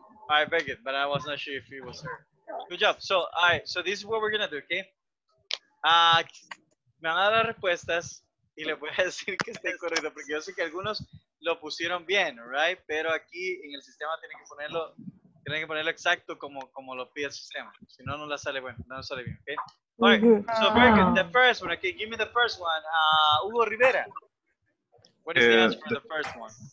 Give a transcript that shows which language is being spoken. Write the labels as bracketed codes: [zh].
[en] All right, very good, but I was not sure if it was her. Good job. So, all right, so this is what we're going to do, okay? [es] Me van a dar las respuestas y les voy a decir que estén corridos, porque yo sé que algunos lo pusieron bien, right? Pero aquí en el sistema tienen que ponerlo exacto como lo pide el sistema. Si no, no sale bien, [en] okay? All right, so very good. The first one, okay, give me the first one. Hugo Rivera. What is the answer for the first one?